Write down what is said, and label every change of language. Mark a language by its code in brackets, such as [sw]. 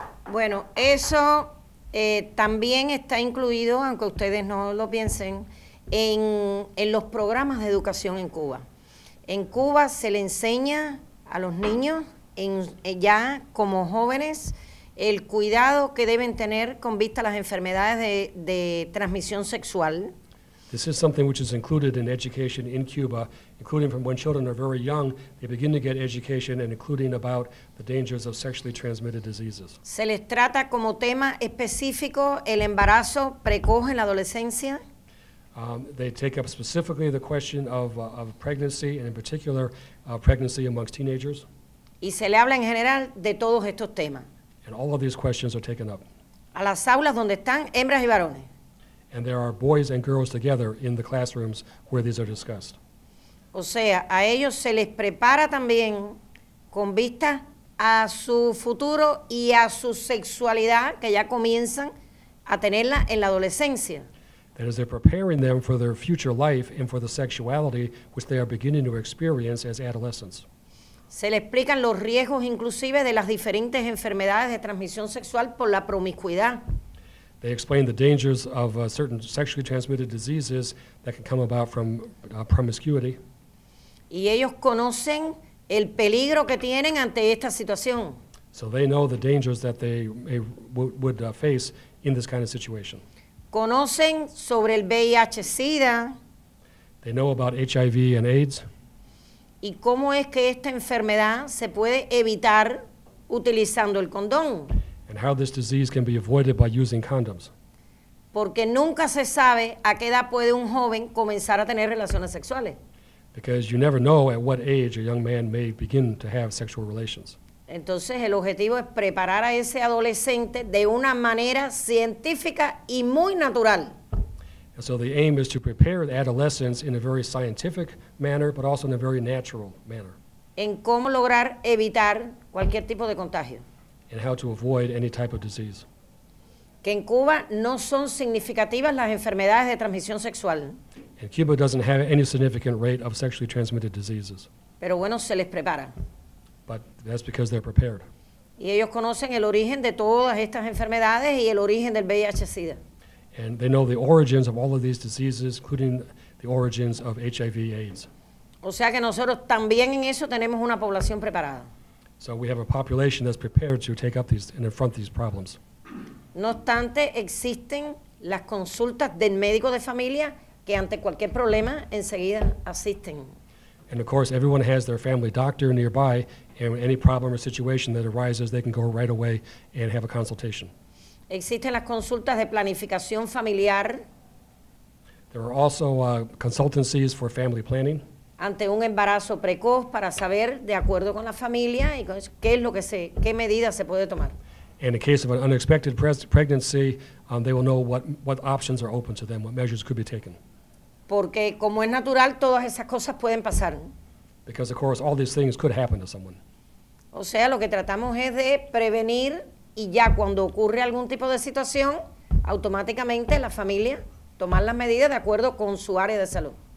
[es] Bueno, eso también está incluido, aunque ustedes no lo piensen, en los programas de educación en Cuba. En Cuba se le enseña a los niños ya como jóvenes el cuidado que deben tener con vista a las enfermedades de transmisión sexual. [en] This is something which is included in education in Cuba, including from when children are very young, they begin to get education and including about the dangers of sexually transmitted diseases. [es] Se les trata como tema específico el embarazo precoz en la adolescencia. [en] They take up specifically the question of pregnancy, and in particular, pregnancy amongst teenagers. [es] Y se le habla en general de todos estos temas. [en] And all of these questions are taken up. [es] A las aulas donde están hembras y varones. [en] And there are boys and girls together in the classrooms where these are discussed. [es] O sea, a ellos se les prepara también con vista a su futuro y a su sexualidad, que ya comienzan a tenerla en la adolescencia. [en] That is, they're preparing them for their future life and for the sexuality which they are beginning to experience as adolescents. [es] Se le explican los riesgos inclusive de las diferentes enfermedades de transmisión sexual por la promiscuidad. [en] They explain the dangers of certain sexually transmitted diseases that can come about from promiscuity. [es] Y ellos conocen el peligro que tienen ante esta situación. [en] So they know the dangers that they would face in this kind of situation. [es] Conocen sobre el VIH-Sida. [en] They know about HIV and AIDS. [es] Y cómo es que esta enfermedad se puede evitar utilizando el condón. [en] And how this disease can be avoided by using condoms. [es] Porque nunca se sabe a qué edad puede un joven comenzar a tener relaciones sexuales. [en] Because you never know at what age a young man may begin to have sexual relations. [es] Entonces, el objetivo es preparar a ese adolescente de una manera científica y muy natural. [en] And so the aim is to prepare the adolescents in a very scientific manner, but also in a very natural manner. [es] En cómo lograr evitar cualquier tipo de contagio. [en] And how to avoid any type of disease. [es] Que en Cuba no son significativas las enfermedades de transmisión sexual. [en] And Cuba doesn't have any significant rate of sexually transmitted diseases. [es] Pero bueno, se les prepara. [en] But that's because they're prepared. [es] Y ellos conocen el origen de todas estas enfermedades y el origen del VIH-Sida. [en] And they know the origins of all of these diseases, including the origins of HIV/AIDS. [es] O sea que nosotros también en eso tenemos una población preparada. [en] So we have a population that's prepared to take up these and confront these problems. [es] No obstante, existen las consultas del médico de familia que ante cualquier problema enseguida asisten. [en] And of course, everyone has their family doctor nearby, and any problem or situation that arises, they can go right away and have a consultation. [es] Existen las consultas de planificación familiar. [en] There are also consultancies for family planning. [es] Ante un embarazo precoz para saber, de acuerdo con la familia, y con eso, qué medidas se puede tomar. [en] In the case of an unexpected pregnancy, they will know what options are open to them, what measures could be taken. [es] Porque como es natural, todas esas cosas pueden pasar. [en] Because of course, all these things could happen to someone. [es] O sea, lo que tratamos es de prevenir, y ya cuando ocurre algún tipo de situación, automáticamente la familia tomar las medidas de acuerdo con su área de salud.